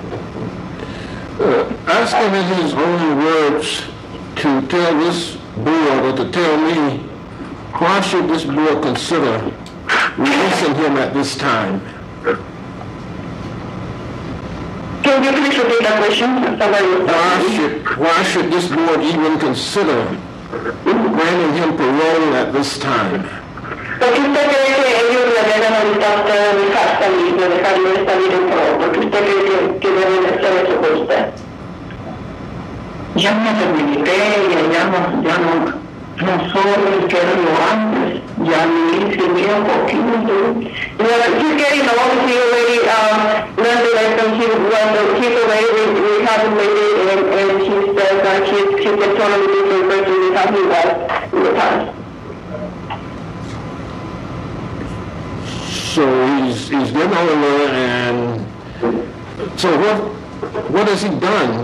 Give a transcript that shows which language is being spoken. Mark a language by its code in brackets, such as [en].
[en] asking in his own words to tell this board or to tell me, why should this board consider releasing him at this time? Can you please repeat that question? Why should this board even consider granting him parole at this time? [es] Porque usted cree que ellos le deben ahorita a usted dejar salir, de dejarlo de salir en prueba, porque usted cree que deben hacer eso con usted. Ya me debilité, ya no soy el que era yo antes, ya me hice mío un poquito. [en] He's getting old, he already learned the lesson, he's already rehabbed lately, and he says that he's a totally different person than how he was in the past. So he's been over there, and so what has he done?